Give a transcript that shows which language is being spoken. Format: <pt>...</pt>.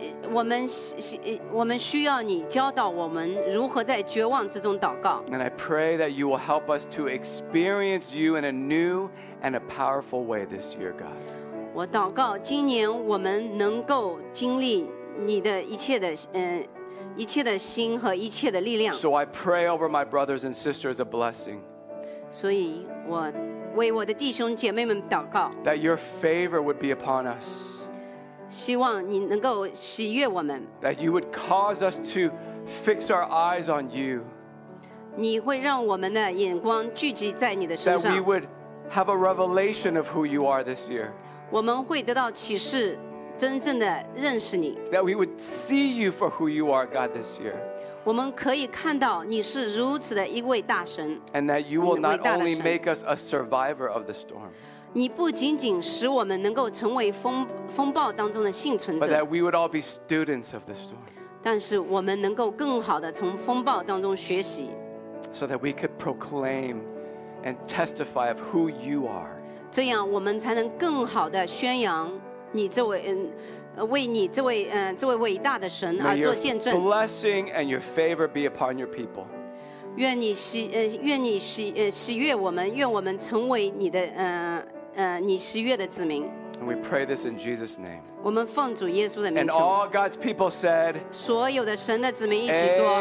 <zh>我们需要你教导我们如何在绝望之中祷告。</zh> <en>And I pray that you will help us to experience you in a new and a powerful way this year, God.</en> <zh>我祷告今年我们能够经历你的一切的一切的心和一切的力量。</zh> <en>So I pray over my brothers and sisters a blessing.</en> <zh>所以我为我的弟兄姐妹们祷告。</zh> <en>That your favor would be upon us.</en> <zh>希望你能够喜悦我们。</zh> <en>That you would cause us to fix our eyes on you.</en> <zh>你会让我们的眼光聚集在你的身上。</zh> <en>That we would have a revelation of who you are this year.</en> <zh>我们会得到启示。真正的认识你。</zh> <en>That we would see you for who you are, God, this year.</en> <zh>我们可以看到你是如此的一位大神。</zh> <en>And that you will not only make us a survivor of the storm.</en> <zh>你不仅仅使我们能够成为风暴当中的幸存者。</zh> <en>But that we would all be students of the storm.</en> <zh>但是我们能够更好的从风暴当中学习。</zh> <en>So that we could proclaim and testify of who you are.</en> <zh>这样我们才能更好的宣扬你这位为你这位这位伟大的神而做见证。</zh> <en>May your blessing and your favor be upon your people.</en> <zh>愿你喜悦我们，愿我们成为你的你喜悦的子民。</zh> <en>And we pray this in Jesus' name.</en> <zh>我们奉主耶稣的名求。</zh> <en>And all God's people said.</en> <zh>所有的神的子民一起说。</zh>